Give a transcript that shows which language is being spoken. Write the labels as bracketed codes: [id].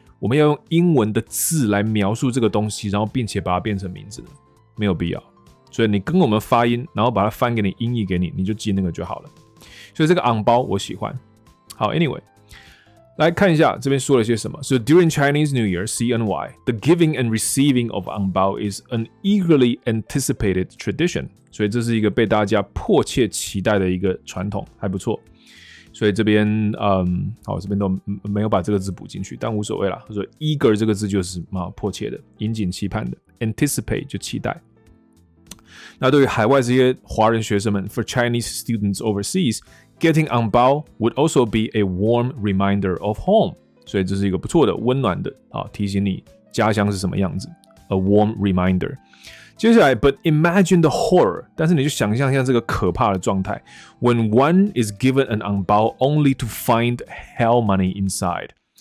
[zh] 我们要用英文的字来描述这个东西，然后并且把它变成名字呢？没有必要。所以你跟我们发音，然后把它翻给你音译给你，你就记那个就好了。所以这个昂包我喜欢。好 ，Anyway。来看一下这边说了些什么。 [en] So during Chinese New Year (CNY), the giving and receiving of angbao is an eagerly anticipated tradition. [zh] 所以这是一个被大家迫切期待的一个传统，还不错。所以这边，好，这边都没有把这个字补进去，但无所谓啦。所以 eager 这个字就是啊，迫切的、引颈期盼的 ，anticipate 就期待。那对于海外这些华人学生们 ， [en] for Chinese students overseas。 Getting angbao would also be a warm reminder of home. [zh] 所以这是一个不错的、温暖的、啊、提醒你家乡是什么样子。 [en] A warm reminder. [zh] 接下来 [en] ，But imagine the horror. [zh] 但是你就想象一下这个可怕的状态。 [en] When one is given an angbao only to find hell money inside.